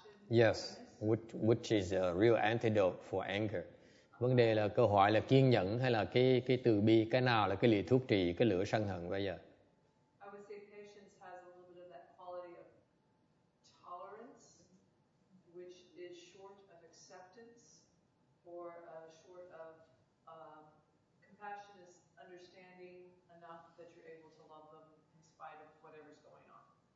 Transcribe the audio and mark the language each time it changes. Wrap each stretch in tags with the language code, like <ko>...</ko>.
<en>Yes, which is a real antidote for anger.</en> <vi>Vấn đề là câu hỏi là kiên nhẫn hay là cái từ bi, cái nào là cái liều thuốc trị cái lửa sân hận bây giờ?</vi> <en>I would say patience has a little bit of that quality of tolerance, which is short of acceptance or short of compassion is understanding enough that you're able to love them in spite of whatever's going on.</en>